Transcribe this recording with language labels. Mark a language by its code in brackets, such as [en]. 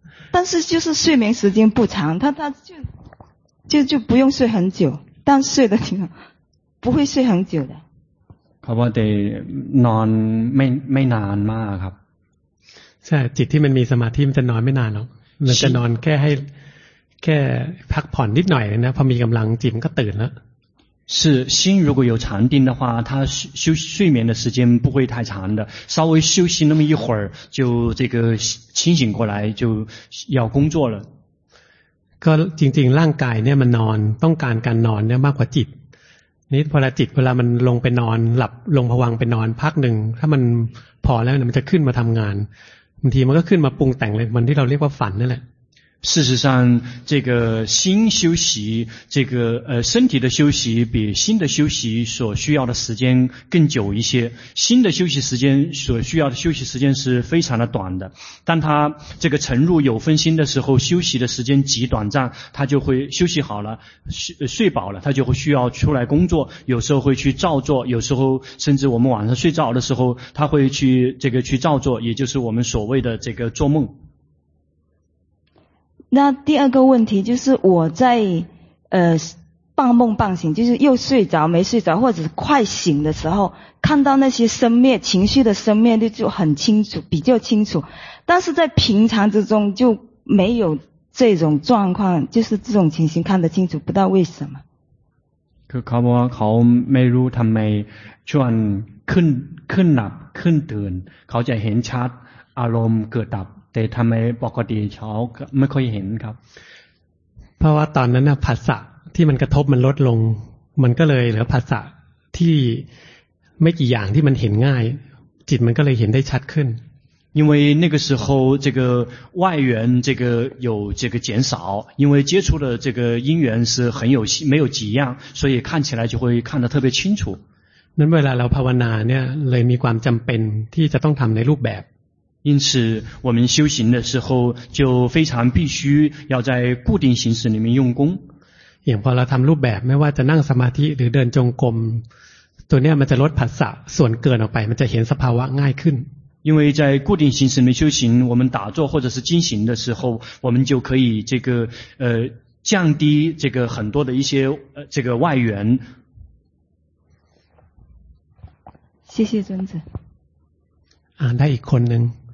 [zh] 但是就是睡眠时间不长他就不用睡很久但睡的挺好不会睡很久的 [th] เขาบอกแต่นอนไม่นานมากครับ ใช่จิตที่มันมีสมาธิมันจะนอนไม่นานหรอกมันจะนอนแค่ให้แค่พักผ่อนนิดหน่อยนะพอมีกำลังจิตมันก็ตื่นแล้ว [zh] 是心如果有禅定的话它睡眠的时间不会太长的稍微休息那么一会儿就这个清醒过来就要工作了 [th] ก็จริงๆร่างกายเนี่ยมันนอนต้องการการนอนเนี่ยมากกว่าจิตนี่พอจิตเวลามันลงไปนอนหลับลงผวังไปนอนพักหนึ่งถ้ามันพอแล้วเนี่ยมันจะขึ้นมาทำงานบางทีมันก็ขึ้นมาปรุงแต่งเลยมันที่เราเรียกว่าฝันนั่นแหละ [zh] 事实上这个心休息，这个身体的休息比心的休息所需要的时间更久一些，心的休息时间所需要的休息时间是非常的短的，当他这个沉入有分心的时候，休息的时间极短暂，他就会休息好了 睡饱了，他就会需要出来工作，有时候会去照做，有时候甚至我们晚上睡着的时候他会去这个去照做，也就是我们所谓的这个做梦。那第二个问题就是我在半梦半醒，就是又睡着没睡着或者快醒的时候，看到那些生灭情绪的生灭率就很清楚，比较清楚，但是在平常之中就没有这种状况，就是这种情形看得清楚，不知道为什么。 [th] เขาบอกว่าเขาไม่รู้ทำไมช่วงขึ้นหลับขึ้นตื่นเขาจะเห็นชัดอารมณ์เกิดดับแต่ทำไมปกติเขาไม่ค่อยเห็นครับ เพราะว่าตอนนั้นนะผัสสะที่มันกระทบมันลดลงมันก็เลยเหลือผัสสะที่ไม่กี่อย่างที่มันเห็นง่ายจิตมันก็เลยเห็นได้ชัดขึ้น [zh] 因为那个时候这个外缘这个有这个减少，因为接触的这个因缘是很有没有几样，所以看起来就会看得特别清楚。 [th] นั้นเวลาเราภาวนาเนี่ยเลยมีความจำเป็นที่จะต้องทำในรูปแบบ [zh] 因此我们修行的时候就非常必须要在固定形式里面用功。 [th] อย่างพอเราทำรูปแบบไม่ว่าจะนั่งสมาธิหรือเดินจงกรมตัวเนี้ยมันจะลดผัสสะส่วนเกินออกไปมันจะเห็นสภาวะง่ายขึ้น [zh] 因为在固定形式里面修行，我们打坐或者是静行的时候，我们就可以这个降低这个很多的一些这个外缘。谢谢尊者。啊，那一คนหนึ่ง。